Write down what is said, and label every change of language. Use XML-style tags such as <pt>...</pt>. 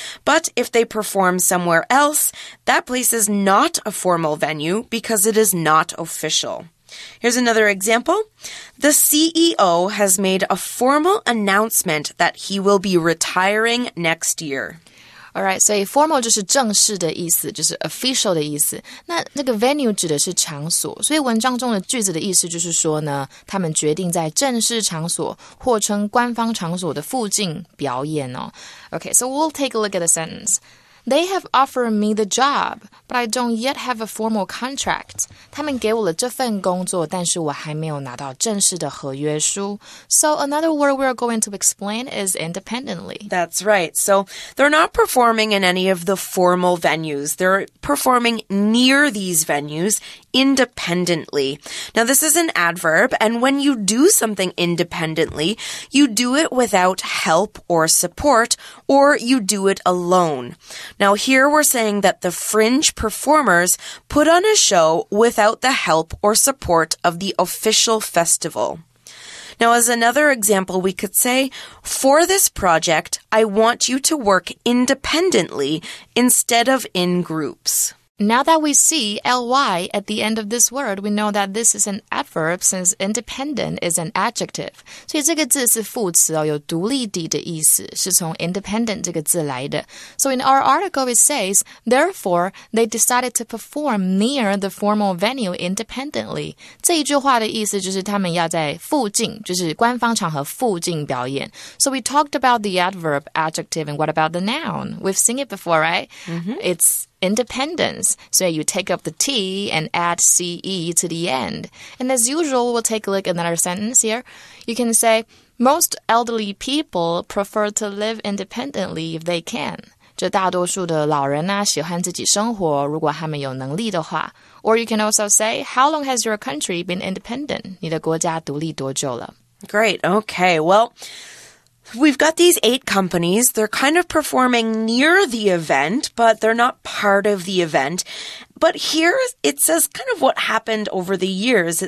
<en>But if they perform somewhere else, that place is not a formal venue because it is not official. Here's another example. The CEO has made a formal announcement that he will be retiring next year. All right, so</en> <zh>formal 就是正式的意思，就是 official 的意思。那那个 venue 指的是场所，所以文章中的句子的意思就是说呢，他们决定在正式场所或称官方场所的附近表演哦。</zh> <en>Okay, so we'll take a look at the sentence. They have offered me the job, but I don't yet have a formal contract.</en> <zh>他们给我了这份工作，但是我还没有拿到正式的合约书。</zh> <en>So another word we're going to explain is independently. That's right. So they're not performing in any of the formal venues. They're performing near these venues independently. Now this is an adverb, and when you do something independently, you do it without help or support, or you do it alone. Now, here we're saying that the fringe performers put on a show without the help or support of the official festival. Now, as another example, we could say, for this project, I want you to work independently instead of in groups. Now that we see ly at the end of this word, we know that this is an adverb since independent is an adjective.</en> <zh>所以这个字是副词哦，有独立地的意思，是从 independent 这个字来的。</zh> <en>So in our article, it says, therefore, they decided to perform near the formal venue independently.</en> <zh>这一句话的意思就是他们要在附近，就是官方场合附近表演。</zh> <en>So we talked about the adverb, adjective, and what about the noun? We've seen it before, right? Mm-hmm. It'sIndependence. So you take up the T and add CE to the end. And as usual, we'll take a look at another sentence here. You can say, most elderly people prefer to live independently if they can.</en> <zh>就大多数的老人啊，喜欢自己生活，如果他们有能力的话。</zh> <en>Or you can also say, how long has your country been independent?</en> <zh>你的国家独立多久了？</zh> <en>Great. Okay. Well... We've got these eight companies. They're kind of performing near the event, but they're not part of the event. But here it says kind of what happened over the years.</en>